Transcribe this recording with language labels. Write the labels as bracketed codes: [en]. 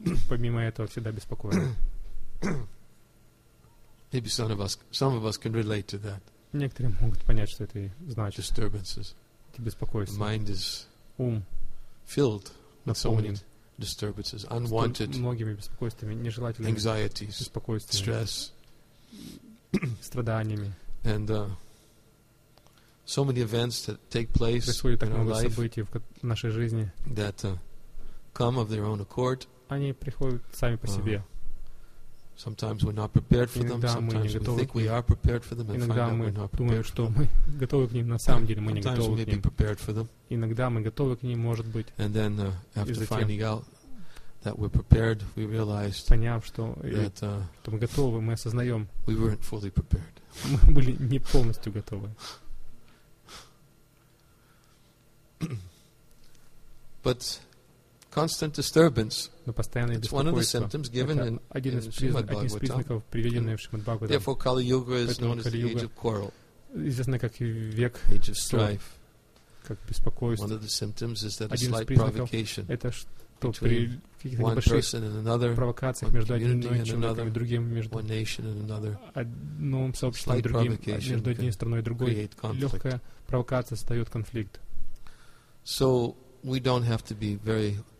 [en] Maybe some of us can relate to that. [ru] Некоторые могут понять, что это значит. [en] Disturbances. [ru] Беспокойство. [en] Mind is filled with so many disturbances, unwanted anxieties, stress, [ru] страданиями. [en] And so many events that take place in our life that come of their own accord. [ru] Они приходят сами по себе. [en] Sometimes we're not prepared for them. Sometimes we think we are prepared for them, and find out we're not prepared. [ru] Что мы готовы к ним, на самом деле мы не готовы к ним. [en] Sometimes we may be prepared for them. [ru] Иногда мы готовы к ним, может быть. [en] And then, after finding out that we're prepared, we realized [ru] что мы готовы, мы осознаем. [en] We weren't fully prepared. [ru] Мы были не полностью готовы. [en] But constant disturbance. It's one of the symptoms given in Srimad Bhagavatam. Therefore, Kali Yuga is known as the age of quarrel, [ru] известно как век [en] age of strife, [ru] как беспокойство. [en] One of the symptoms is that a slight provocation. [ru] Это что при каких-то небольших провокациях между одним человеком и другим, между одним сообществом и другим, между одной страной и другой, легкая провокация создает конфликт. [en] So we don't have to be very